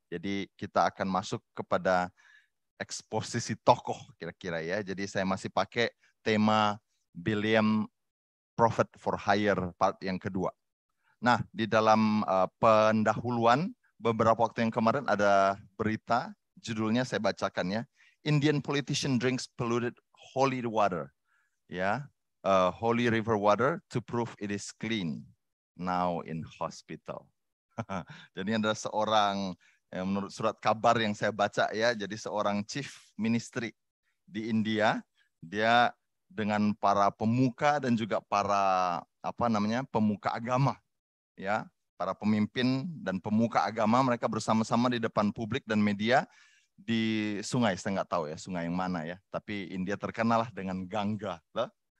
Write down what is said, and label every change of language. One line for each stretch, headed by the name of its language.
Indonesian: Jadi kita akan masuk kepada eksposisi tokoh kira-kira ya. Jadi saya masih pakai tema Bileam Prophet for Hire part yang kedua. Nah, di dalam pendahuluan beberapa waktu yang kemarin ada berita, judulnya saya bacakan ya.
English: Indian politician drinks polluted holy water.
Indonesian: Ya,
English: holy river water to prove it is clean. Now in hospital.
Indonesian: Jadi ada seorang, menurut surat kabar yang saya baca ya, jadi seorang chief ministry di India, dia dengan para pemuka dan juga para pemuka agama, ya, para pemimpin dan pemuka agama, mereka bersama-sama di depan publik dan media di sungai, saya nggak tahu ya sungai yang mana ya, tapi India terkenal lah dengan Gangga, loh.